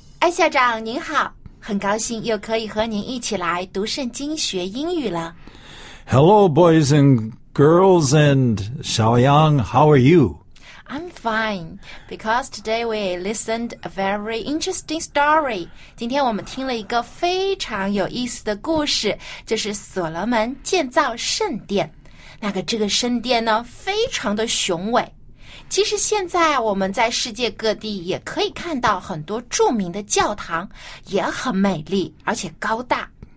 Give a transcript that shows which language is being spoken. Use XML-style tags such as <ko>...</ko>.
<zh>校长您好，很高兴又可以和您一起来读圣经学英语了。</zh> <en>Hello, boys and girls, and 小杨, how are you? I'm fine, because today we listened a very interesting story.</en> <zh>今天我们听了一个非常有意思的故事，就是所罗门建造圣殿。那个这个圣殿呢，非常的雄伟。其实现在我们在世界各地也可以看到很多著名的教堂，也很美丽而且高大。</zh>